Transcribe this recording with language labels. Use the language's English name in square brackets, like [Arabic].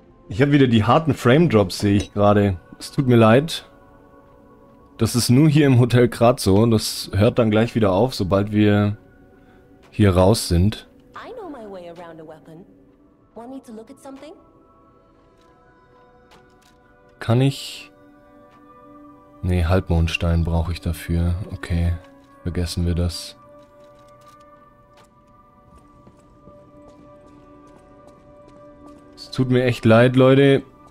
[German] Ich habe wieder die harten Frame Drops, sehe ich gerade. Es tut mir leid. Das ist nur hier im Hotel Grat so und das hört dann gleich wieder auf, sobald wir hier raus sind. [English] I know my way around a weapon. Want me to look at something? [German] Kann ich? Nee, Halbmondstein brauche ich dafür. Okay, vergessen wir das. Es tut mir echt leid, Leute.